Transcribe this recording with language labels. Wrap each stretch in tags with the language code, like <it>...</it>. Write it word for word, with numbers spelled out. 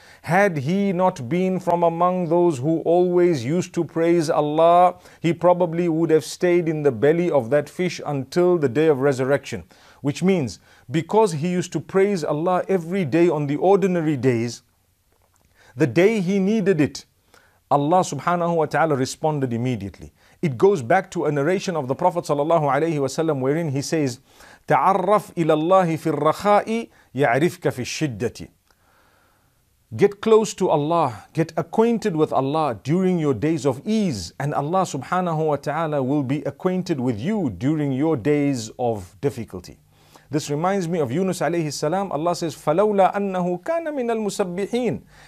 <en>Had he not been from among those who always used to praise Allah, he probably would have stayed in the belly of that fish until the day of resurrection. Which means, because he used to praise Allah every day on the ordinary days, the day he needed it, Allah subhanahu wa ta'ala responded immediately. It goes back to a narration of the Prophet sallallahu alayhi wa sallam wherein he says,</en> <ar>تعرف إلى الله في الرخاء يعرفك في الشدة.</ar> <en>Get close to Allah, get acquainted with Allah during your days of ease, and Allah subhanahu wa ta'ala will be acquainted with you during your days of difficulty. This reminds me of Yunus alayhi salam. Allah says,</en> <ar>فَلَوْلَا أَنَّهُ كَانَ مِنَ الْمُسَبِّحِينَ.</ar>